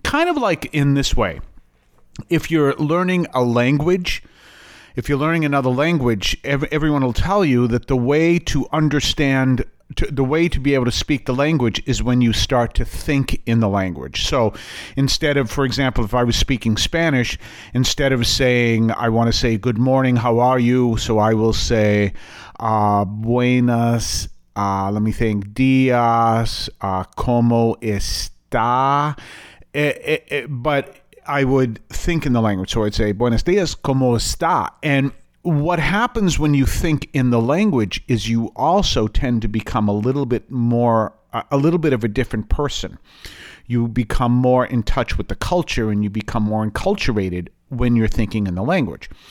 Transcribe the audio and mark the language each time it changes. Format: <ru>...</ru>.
<en>Kind of like in this way. If you're learning a language, if you're learning another language, everyone will tell you that the way to understand, the way to be able to speak the language is when you start to think in the language. So instead of, for example, if I was speaking Spanish, instead of saying, I want to say, good morning, how are you? So I will say, buenas, let me think, días,</en> <es>¿cómo está?</es> <en>But I would think in the language. So I'd say,</en> <es>buenos días, ¿cómo está?</es> <en>And what happens when you think in the language is you also tend to become a little bit more, a little bit of a different person. You become more in touch with the culture and you become more enculturated when you're thinking in the language.</en>